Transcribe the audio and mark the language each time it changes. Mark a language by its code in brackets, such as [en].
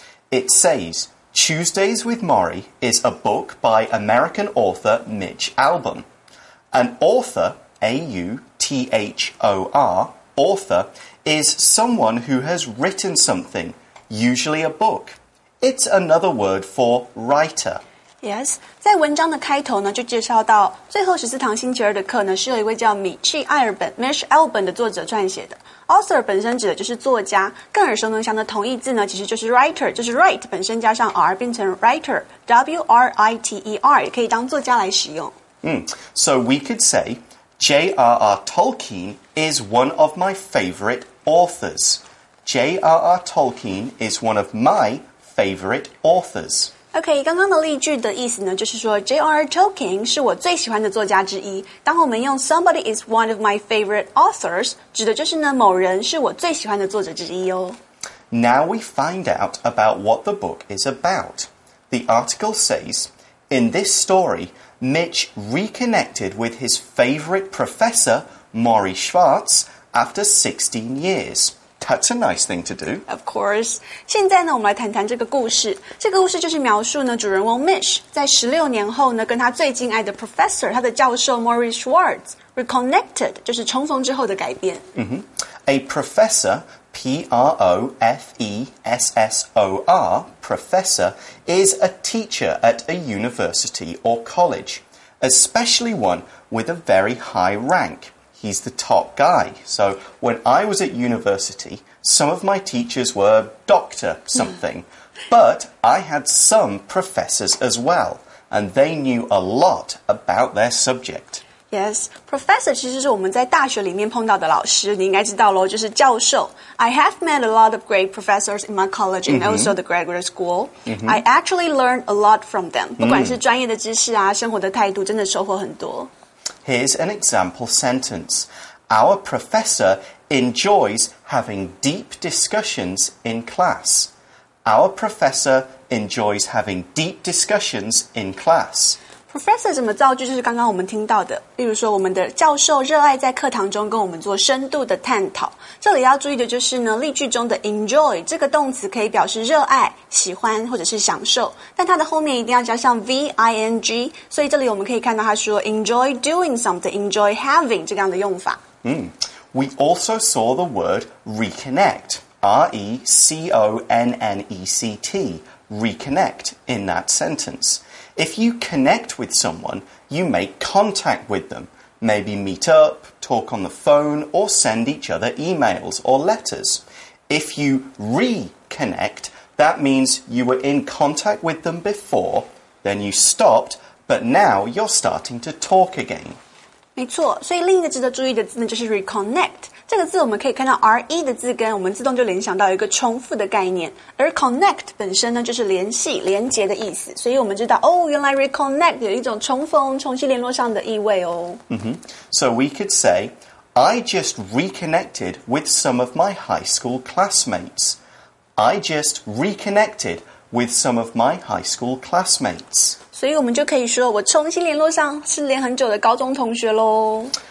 [en] It says, Tuesdays with Morrie is a book by American author Mitch Albom. An author, A-U-T-H-O-R, author, is someone who has written something, usually a book. It's another word for writer. [zh] Yes, 在文章的开头呢，就介绍到最后十四堂星期二的课呢，是由一位叫米契艾尔本 Mitch Albom 的作者撰写的。 Author 本身指的就是作家，更耳熟能详的同义字呢，其实就是 writer， 就是 write 本身加上 r 变成 writer，W-R-I-T-E-R 也可以当作家来使用。 [en] So we could say J.R.R. Tolkien is one of my favorite authors. J.R.R. Tolkien is one of my favorite authors. [zh] OK, 刚刚的例句的意思呢就是说 J.R.R. Tolkien 是我最喜欢的作家之一。当我们用 [en] somebody is one of my favorite authors, [zh] 指的就是呢某人是我最喜欢的作者之一哦。 [en] Now we find out about what the book is about. The article says, In this story, Mitch reconnected with his favorite professor, Maury Schwartz, after 16 years. That's a nice thing to do. Of course. [zh] 现在呢，我们来谈谈这个故事。这个故事就是描述呢，主人翁 Mitch 在16年后呢，跟他最敬爱的 professor, 他的教授 Maury Schwartz, reconnected, 就是重逢之后的改变。 Mm-hmm. [en] A professor, P-R-O-F-E-S-S-O-R, professor, is a teacher at a university or college, especially one with a very high rank. He's the top guy. So when I was at university, some of my teachers were doctor something. But I had some professors as well, and they knew a lot about their subject. [zh] Yes, professor 其实是我们在大学里面碰到的老师，你应该知道咯，就是教授。 [en] I have met a lot of great professors in my college and、mm-hmm. also the graduate school.、Mm-hmm. I actually learned a lot from them. [zh] 不管是专业的知识啊，生活的态度，真的收获很多。 [en] Here's an example sentence. Our professor enjoys having deep discussions in class. Our professor enjoys having deep discussions in class. [zh] Professor 怎么造句就是刚刚我们听到的。例如说我们的教授热爱在课堂中跟我们做深度的探讨。这里要注意的就是呢例句中的 enjoy, 这个动词可以表示热爱喜欢或者是享受。但它的后面一定要加上 V-I-N-G, 所以这里我们可以看到他说 [en] enjoy doing something, [zh] enjoy having 这样的用法。 [en] We also saw the word reconnect, R-E-C-O-N-N-E-C-T, reconnect in that sentence. If you connect with someone, you make contact with them. Maybe meet up, talk on the phone, or send each other emails or letters. If you reconnect, that means you were in contact with them before, then you stopped, but now you're starting to talk again. [zh] 没错，所以另一个值得注意的字呢，就是 reconnect. 这个字我们可以看到 RE 的字根我们自动就联想到一个重复的概念而 connect 本身呢就是联系连接的意思所以我们知道哦原来 reconnect 有一种重逢重新联络上的意味哦、 mm-hmm. [en] So we could say I just reconnected with some of my high school classmates I just reconnected with some of my high school classmates [zh] 所以我们就可以说我重新联络上失联很久的高中同学咯